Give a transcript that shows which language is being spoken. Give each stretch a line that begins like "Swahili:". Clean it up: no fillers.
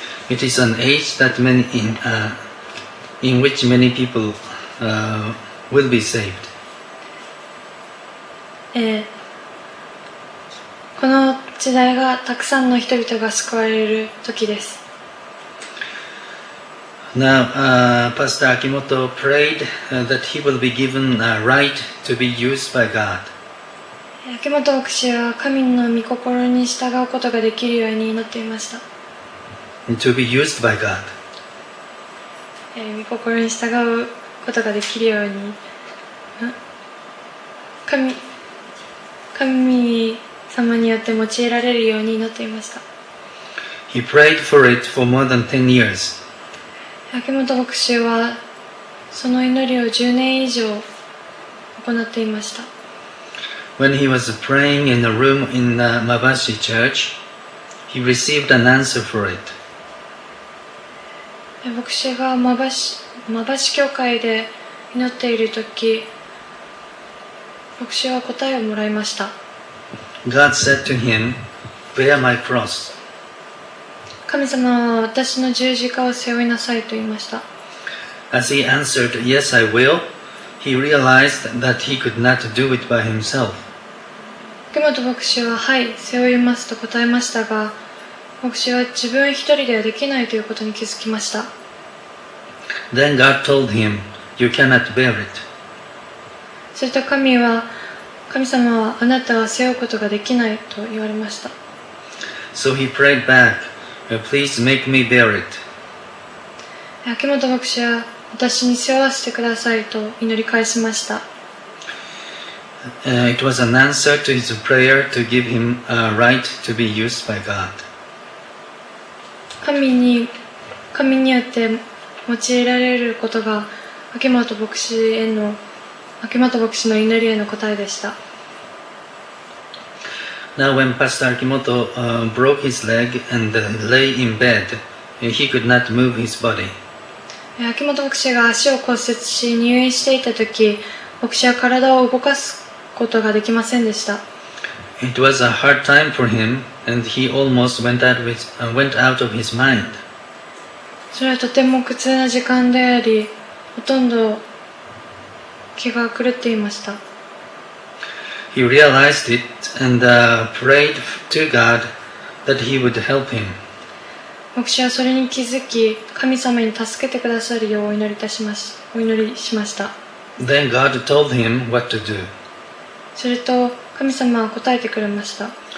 English: It is an age that many in which many people will be saved.
Japanese: この時代がたくさんの人々が救われる時です。
English: Now, Pastor Akimoto prayed that he will be given a right to be used by God.
Japanese: 秋元牧師は神の御心に従うことができるように祈っていました。
English: To be used by God.
Japanese: 御心に従うことができるように神様によって用いられるように祈っていました。
English: He prayed for it for more than 10 years.
Japanese: 秋元牧師はその祈りを10年以上行っていました。
English: When he was praying in a room in the Mabashi Church, he received an answer for it.
Japanese: 牧師がMabashi教会で祈っているとき、牧師は答えをもらいました。
English: God said to him, "Bear my cross."
Japanese: 神様は私の十字架を背負いなさいと言いました。
English: As he answered, "Yes, I will," he realized that he could not do it by himself.
Japanese: 秋元牧師は、はい、背負いますと答えましたが、牧師は自分一人ではできないということに気づきました。
English: Then God told him, "You cannot bear it."
Japanese: すると神様はあなたは背負うことができないと言われました。
English: So he prayed back, "Please make me bear it."
Japanese: 秋元牧師は私に背負わせてくださいと祈り返しました。
English: It was an answer to his prayer to give him a right to be used by God.
Japanese: 神によって用いられることが秋元牧師の祈りへの答えでした。
English: Now when Pastor Akimoto broke his leg and lay in bed, he could not move his body.
Japanese: 秋元牧師が足を骨折し入院していた時、牧師は体を動かすことができませんでした。
English: It was a hard time for him, and he almost went out of his mind.
Japanese: それはとても苦痛な時間であり、ほとんど気が狂っていました。
English: He realized it and prayed to God that he would help him.
Japanese: 牧師はそれに気づき、神様に助けてくださるようお祈りしました。
English: Then God told him what to do.
Japanese: すると神様は答えてくれました。